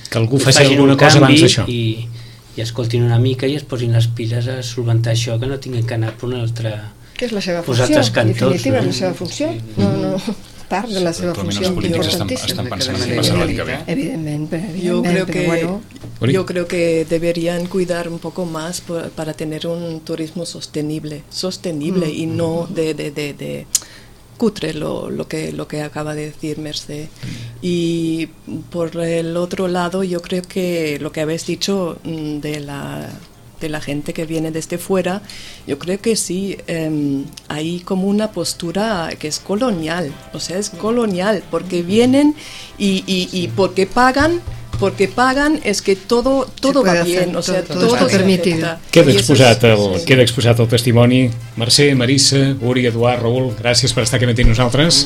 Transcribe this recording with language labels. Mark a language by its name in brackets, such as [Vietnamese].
[Catalan] que algú faci alguna cosa abans d'això i escoltin una mica i es posin les piles a solventar això, que no tinguin que anar per una altra, que és la seva funció, cantors, definitiva, no? La seva funció, no part de la seva funció. Els polítics estan pensant si passa l'any que ve. Evidentment, jo [Spanish] crec que deberían cuidar un poco más para tener un turismo sostenible, sostenible, y no de cutre, lo que acaba de decir Mercè. Y por el otro lado, yo creo que lo que habéis dicho de la gente que viene desde fuera, yo creo que sí, hay como una postura que es colonial, o sea, es colonial, porque vienen y porque pagan. Porque pagan es que todo va bien, o sea, todo es permitido. [Catalan] Queda exposat el testimoni. Mercè, Marisa, Uri, Eduard, Raül, gràcies per estar aquí amb nosaltres.